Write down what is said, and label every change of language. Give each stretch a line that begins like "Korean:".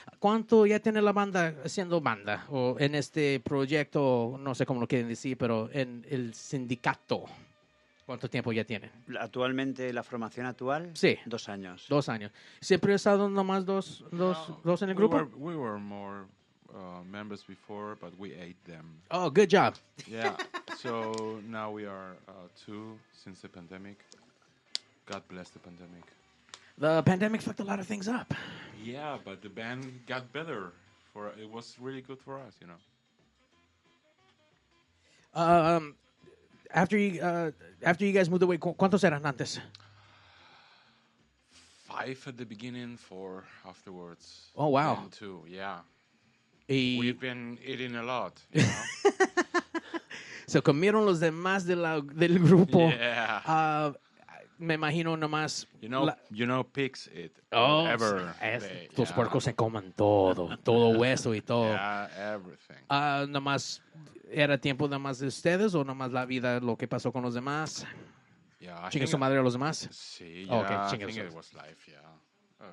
Spanish: ¿Cuánto ya tiene la banda siendo banda? O en este proyecto, no sé cómo lo quieren decir, pero en el sindicato. ¿Cuánto tiempo ya tienen? Actualmente, la formación actual, sí. 2 años. 2 años. ¿Siempre ha estado nomás dos en el grupo?
English: We were more members before, but we ate them. Oh, good job. Yeah, so now we are 2 since the pandemic. God bless the pandemic. The pandemic fucked a lot of things up. Yeah, but the band got better. It was really good for us, you know. After you guys moved away,
Spanish: ¿cuántos eran antes?
English: 5 at the beginning, 4 afterwards. Oh, wow. And 2, yeah. We've been eating a lot, you know.
Spanish: Se comieron los demás del grupo.
English: Yeah.
Spanish: Me imagino nomás...
English: You know pigs eat ever.
Spanish: Tus puercos se comen todo. Todo hueso y todo.
English: Yeah, everything.
Spanish: Nomás... ¿Era tiempo nada más de ustedes o nada más la vida, lo que pasó con los demás?
English: Yeah,
Spanish: ¿chingue su madre a los demás?
English: Sí, yeah, okay, I think it was life, yeah.